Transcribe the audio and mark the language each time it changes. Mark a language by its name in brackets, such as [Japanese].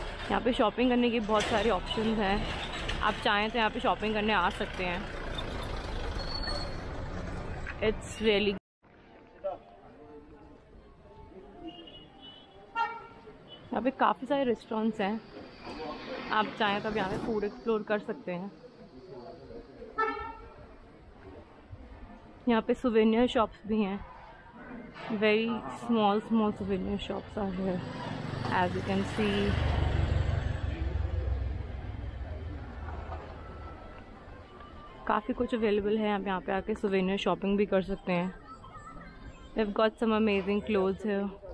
[Hindi] यहाँ पे शॉपिंग करने के बहुत सारे ऑप्शन हैं, आप चाहें तो यहाँ पे शॉपिंग करने आ सकते हैं. [English] it's really [Hindi] यहाँ पे काफ़ी सारे रेस्टोरेंट्स हैं, आप चाहें तो अब यहाँ पे फूड एक्सप्लोर कर सकते हैं. यहाँ पे सुवेनियर शॉप्स भी हैं, [English] very small small souvenir shops are here as you can see. [Hindi] काफ़ी कुछ अवेलेबल है, आप यहाँ पे आके सुवेनियर शॉपिंग भी कर सकते हैं. [English] We have got some amazing clothes here.